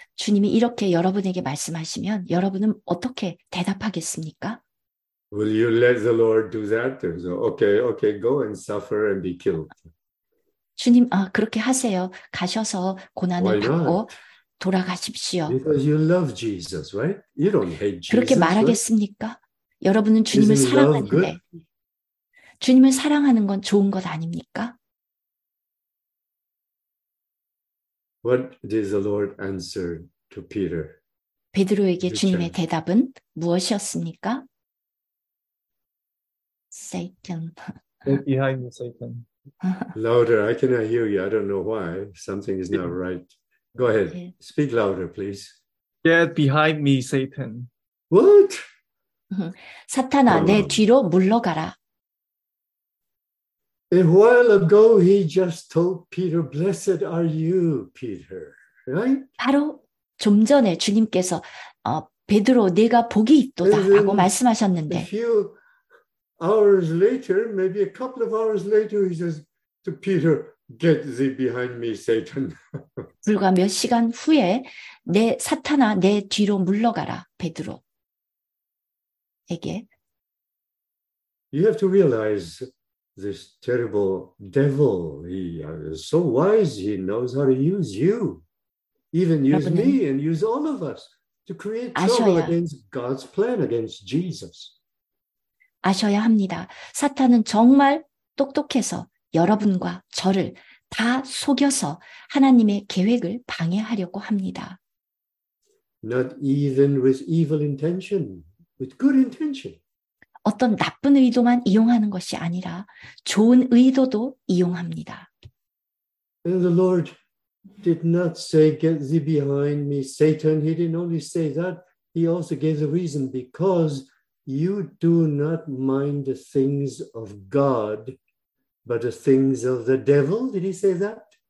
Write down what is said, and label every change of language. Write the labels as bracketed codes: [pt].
[ko] 주님이 이렇게 여러분에게 말씀하시면 여러분은 어떻게 대답하겠습니까? [en] Will you let the Lord do that? So, okay, go and suffer and be killed. [ko] 주님, 그렇게 하세요. 가셔서 고난을 받고 돌아가십시오. [en] Because you love Jesus, right? You don't hate Jesus. [ko] 그렇게 말하겠습니까? 여러분은 주님을 사랑하는데 주님을 사랑하는 건 좋은 것 아닙니까? [en] What did the Lord answer to Peter? [ko] 베드로에게 주님의 대답은 무엇이었습니까? [en] Satan. Behind Satan. Louder. I cannot hear you. I don't know why. Something is not right. Go ahead. Yeah. Speak louder, please. Get behind me, Satan. What? [ko] 사탄아, 내 뒤로 물러가라. [en] A while ago, he just told Peter, "Blessed are you, Peter." Right? [ko] 바로 좀 전에 주님께서 베드로, 네가 복이 있도다라고 말씀하셨는데. [en] A few hours later, maybe a couple of hours later, he says to Peter, "Get thee behind me, Satan." [ko] 불과 몇 시간 후에 내 사탄아, 내 뒤로 물러가라, 베드로에게. [en] You have to realize. This terrible devil, he is so wise, he knows how to use you. Even use me and use all of us to create trouble against God's plan, against Jesus. [ko] 아셔야 합니다. 사탄은 정말 똑똑해서 여러분과 저를 다 속여서 하나님의 계획을 방해하려고 합니다. [en] Not even with evil intention, with good intention. [ko] 어떤 나쁜 의도만 이용하는 것이 아니라 좋은 의도도 이용합니다. [en] And the Lord did not say, "Get thee behind me, Satan." He didn't only say that; he also gave a reason. Because you do not mind the things of God, but the things of the devil. Did he say that?